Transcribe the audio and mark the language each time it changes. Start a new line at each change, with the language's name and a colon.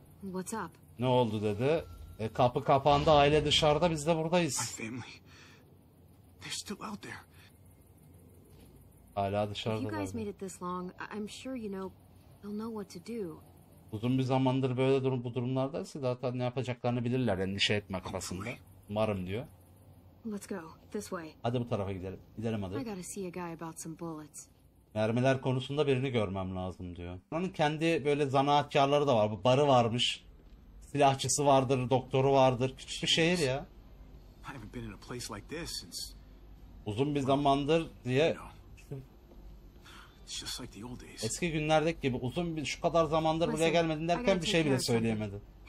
English: What's up?
Turkish: Ne oldu dedi? Kapı kapandı, aile dışarıda, biz de buradayız.
English: They're still out there.
Turkish: Hala dışarıda.
English: If you guys made it this long, I'm sure you know they'll know what to do.
Turkish: Uzun bir zamandır böyle durum, bu durumlardaysa zaten ne yapacaklarını bilirler, endişe etme kafasında. Umarım diyor.
English: Let's go this way.
Turkish: Hadi bu tarafa gidelim. Gidelim hadi.
English: I gotta see a guy about some bullets.
Turkish: Mermiler konusunda birini görmem lazım diyor. Onun kendi böyle zanaatkarları da var. Bu barı varmış. Silahçısı vardır, doktoru vardır. Küçük bir şehir ya.
English: I haven't been in a place like this since...
Turkish: Uzun bir zamandır diye.
English: It's just like the old days.
Turkish: Eski günlerdeki gibi uzun bir, şu kadar zamandır buraya gelmedin derken bir şey bile söyleyemedi.